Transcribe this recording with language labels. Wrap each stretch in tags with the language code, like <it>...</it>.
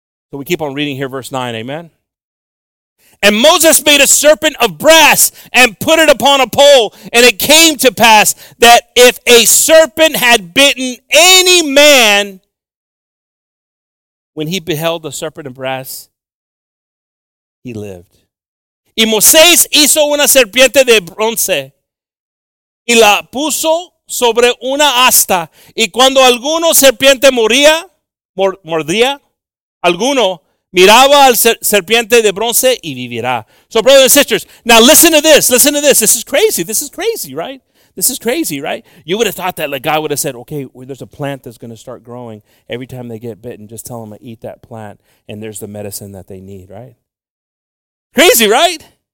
<en>So we keep on reading here, verse 9, amen? And Moses made a serpent of brass and put it upon a pole. And it came to pass that if a serpent had bitten any man, when he beheld the serpent of brass, he lived.</en> <es>Y Moisés hizo una serpiente de bronce y la puso sobre una asta. Y cuando alguno serpiente mordía, alguno, miraba al serpiente de bronce y vivirá.</es> <en>So, brothers and sisters, now listen to this. Listen to this. This is crazy, right? You would have thought that, like, God would have said, okay, well, there's a plant that's going to start growing. Every time they get bitten, just tell them to eat that plant, and there's the medicine that they need, right? Crazy, right?</en>